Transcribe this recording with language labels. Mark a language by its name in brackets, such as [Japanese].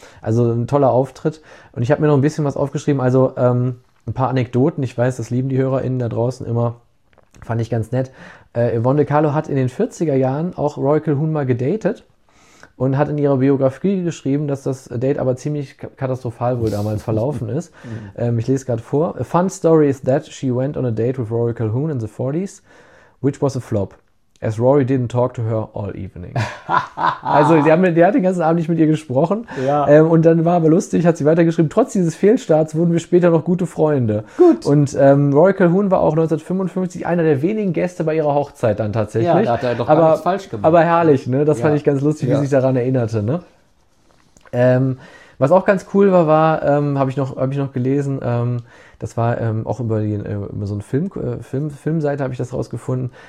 [German] Also ein toller Auftritt. Und ich habe mir noch ein bisschen was aufgeschrieben, also ein paar Anekdoten. Ich weiß, das lieben die HörerInnen da draußen immer. Fand ich ganz nett. Yvonne de Carlo hat in den 40er Jahren auch Rory Calhoun mal gedatet und hat in ihrer Biografie geschrieben, dass das Date aber ziemlich katastrophal wohl damals verlaufen ist. Ich lese gerade vor. [English] A fun story is that she went on a date with Rory Calhoun in the 40s, which was a flop. As Rory didn't talk to her all evening. [German] Also, die hat den ganzen Abend nicht mit ihr gesprochen. Ja. Und dann war aber lustig, hat sie weitergeschrieben, trotz dieses Fehlstarts wurden wir später noch gute Freunde. Gut. Und Rory Calhoun war auch 1955 einer der wenigen Gäste bei ihrer Hochzeit dann tatsächlich. Ja, da hat er doch gar nichts falsch gemacht. Aber herrlich, ne? Das fand ich ganz lustig, wie sich daran erinnerte, ne? Was auch ganz cool war, habe ich noch gelesen, das war auch über so eine Filmseite habe ich das rausgefunden.